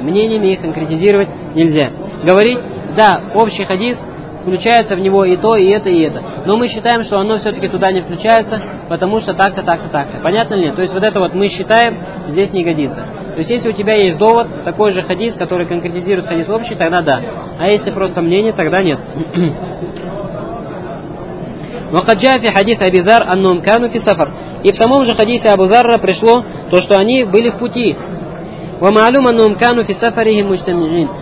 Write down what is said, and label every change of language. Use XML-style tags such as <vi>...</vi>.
<ru>Мнениями их конкретизировать нельзя. Говорить, да, общий хадис, включается в него и то, и это, и это. Но мы считаем, что оно все-таки туда не включается, потому что так-то, так-то, так-то. Понятно ли? То есть вот это вот мы считаем, здесь не годится. То есть если у тебя есть довод, такой же хадис, который конкретизирует хадис общий, тогда да. А если просто мнение, тогда нет.</ru> <ar>وقد جاء في حديث أبي ذر أنهم كانوا في سفر.</ar> <ru>И в самом же хадисе Абу Зарра пришло то, что они были в пути.</ru> <ar>ومعلوم أنهم كانوا في سفرهم مجتمعين.</ar>